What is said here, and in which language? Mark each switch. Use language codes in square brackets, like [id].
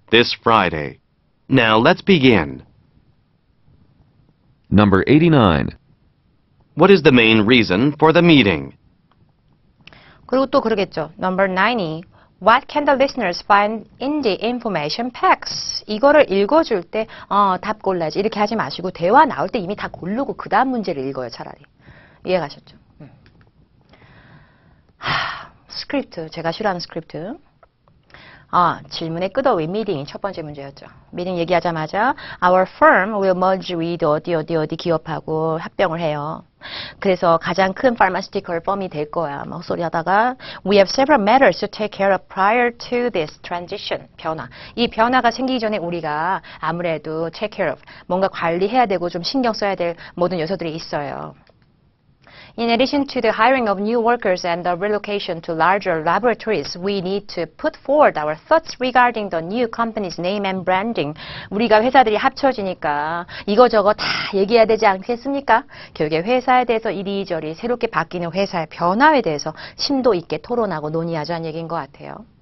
[en] this Friday. Now let's begin. Number 89. What is the main reason for the meeting? [ko] 그리고 또 그러겠죠. [en] Number 90. What can the listeners find in the information packs? [ko] 이거를 읽어줄 때 답 골라야지. 이렇게 하지 마시고 대화 나올 때 이미 다 고르고 그 다음 문제를 읽어요. 차라리. 이해가셨죠? 스크립트. 제가 싫어하는 스크립트. 질문의 끄덕이 미팅이 첫 번째 문제였죠. 미팅 얘기하자마자 [en] Our firm will merge with [ko] 어디 어디 어디 기업하고 합병을 해요. 그래서 가장 큰 pharmaceutical firm이 될 거야. 막 헛소리 하다가 [en] We have several matters to take care of prior to this transition. [ko] 변화. 이 변화가 생기기 전에 우리가 아무래도 take care of 뭔가 관리해야 되고 좀 신경 써야 될 모든 요소들이 있어요. [en] In addition to the hiring of new workers and the relocation to larger laboratories, we need to put forward our thoughts regarding the new company's name and branding. [ko] 우리가 회사들이 합쳐지니까 이거저거 다 얘기해야 되지 않겠습니까? 결국에 회사에 대해서 이리저리 새롭게 바뀌는 회사의 변화에 대해서 심도 있게 토론하고 논의하자는 얘기인 것 같아요.